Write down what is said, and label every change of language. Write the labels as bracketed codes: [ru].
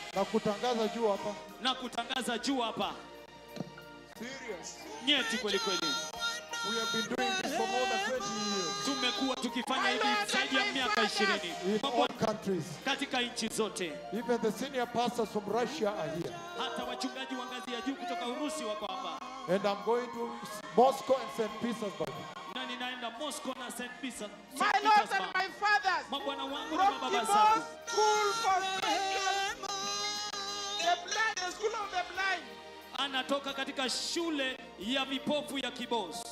[sw] Na kutangaza juu hapa. Na kutangaza juu hapa. [en] Serious. [sw] Nyeti kweli kweli. [en] We have been doing this for more than 20 years. [sw] Tumekuwa tukifanya hivi zaidi ya miaka 20. [en] In all countries. [sw] Katika nchi zote. [en] Even the senior pastors from Russia are here. [sw] Hata wachungaji wa ngazi ya juu kutoka Urusi wako hapa. [en] And I'm going to Moscow and St. Petersburg. My Lord and my fathers, from the most school for the blind, the school of the blind. [sw] Anatoka katika shule ya vipofu ya kibos.